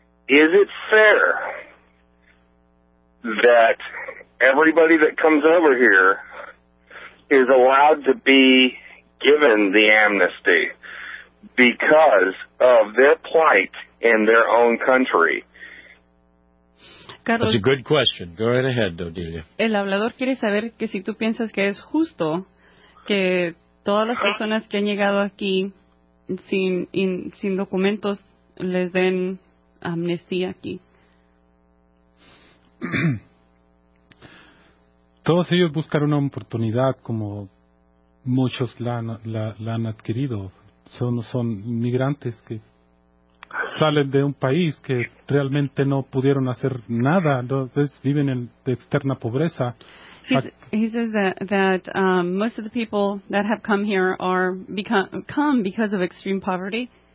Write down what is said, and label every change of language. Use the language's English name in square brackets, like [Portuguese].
[English] Is it fair that everybody that comes over here is allowed to be given the amnesty because of their plight in their own country? Carlos, that's a good question. Go right ahead, Odelia. [Spanish] El hablador quiere saber que si tú piensas que es justo que todas las personas que han llegado aquí sin documentos les den amnistía aquí. Todos ellos buscan una oportunidad, como muchos la han adquirido. Son migrantes que salen de un país que realmente no pudieron hacer nada. Entonces viven en externa pobreza. [English] He says that most of the people that have come here are come because of extreme poverty.